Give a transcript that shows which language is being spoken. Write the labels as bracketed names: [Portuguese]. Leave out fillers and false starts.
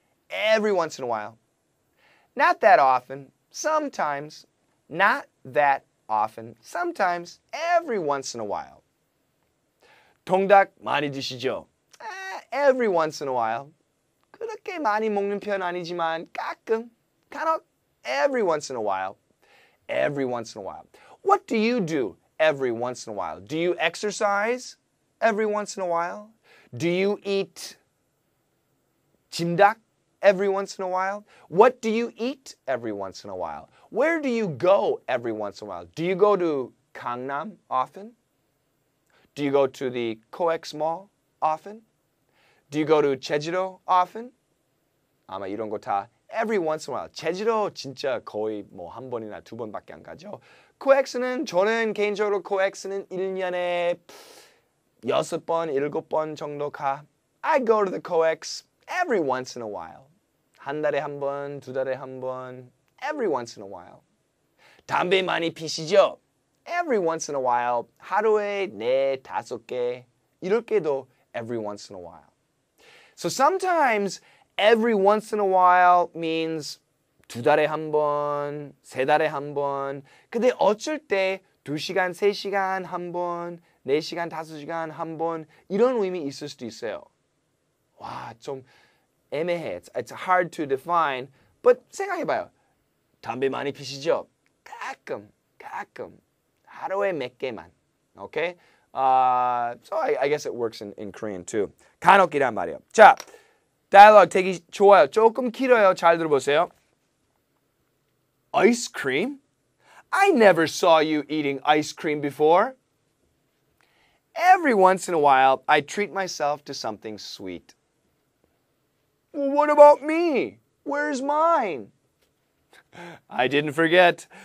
[English] Every once in a while. Not that often. Sometimes. Not that often. Sometimes. Every once in a while. [Korean] 통닭 많이 드시죠? [English] Every once in a while. [Korean] 그렇게 많이 먹는 편 아니지만 가끔. 간혹. [English] Every once in a while. Every once in a while. What do you do every once in a while? Do you exercise every once in a while? Do you eat 찜닭 every once in a while? What do you eat every once in a while? Where do you go every once in a while? Do you go to Gangnam often? Do you go to the Coex Mall often? Do you go to Jeju-do often? [Korean] 아마 이런 거 다 [English] every once in a while. [Korean] Jeju-do 진짜 거의 뭐 한 번이나 두 번밖에 안 가죠. Coex는 저는 개인적으로 Coex는 1년에 여섯 번, 일곱 번 정도 가. [English] I go to the Coex every once in a while. [Korean] 한 달에 한 번, 두 달에 한 번. [English] Every once in a while. [Korean] 담배 많이 피시죠? [English] Every once in a while. [Korean] 하루에 네, 다섯 개. 이렇게도 [English] every once in a while. So sometimes every once in a while means [Korean] 두 달에 한 번, 세 달에 한 번. 근데 어쩔 때 두 시간, 세 시간 한 번, 네 시간, 다섯 시간 한 번. 이런 의미 있을 수도 있어요. 와, 좀 애매해. [English] It's hard to define. But [Korean] 생각해봐요. 담배 많이 피시죠? 가끔, 가끔. 하루에 몇 개만. [English] Okay? So I guess it works in Korean too. 간혹이란 말이에요. [Korean] 자, 다이얼로그 되게 좋아요. 조금 길어요. 잘 들어보세요. [English] Ice cream? I never saw you eating ice cream before. Every once in a while, I treat myself to something sweet. Well, what about me? Where's mine? I didn't forget.